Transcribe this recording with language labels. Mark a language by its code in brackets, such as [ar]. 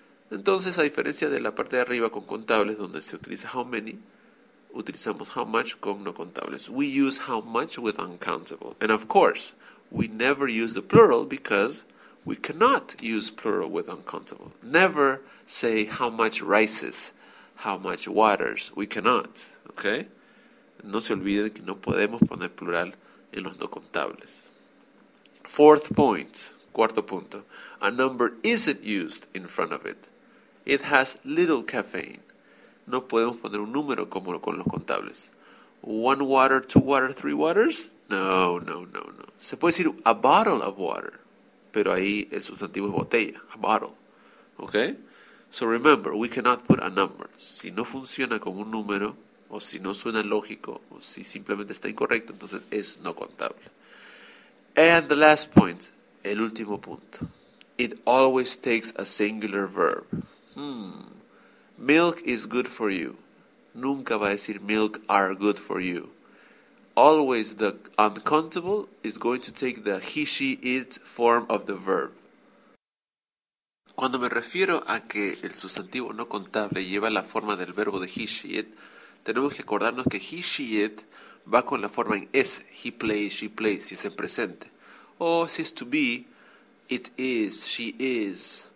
[es] Entonces, a diferencia de la parte de arriba con contables, donde se utiliza how many, utilizamos how much con no contables. [en] We use how much with uncountable. And of course, we never use the plural because we cannot use plural with uncountable. Never say how much rices, how much waters. We cannot. ¿Ok? [es] No se olviden que no podemos poner plural en los no contables. [en] Fourth point, [es] cuarto punto. [en] A number isn't used in front of it. It has little caffeine. [es] No podemos poner un número como con los contables. [en] One water, two water, three waters? No, no, no, no. [es] Se puede decir [en] a bottle of water, [es] pero ahí el sustantivo es botella, a bottle. [en] Okay? So remember, we cannot put a number. [es] Si no funciona como un número, o si no suena lógico, o si simplemente está incorrecto, entonces es no contable. [en] And the last point, [es] el último punto. [en] It always takes a singular verb. Milk is good for you. [es] Nunca va a decir [en] milk are good for you. Always the uncountable is going to take the he, she, it form of the verb. [es] Cuando me refiero a que el sustantivo no contable lleva la forma del verbo de he, she, it, tenemos que acordarnos que he, she, it va con la forma en S. [en] He plays, she plays, [es] si es en presente. O si es [en] to be, it is, she is.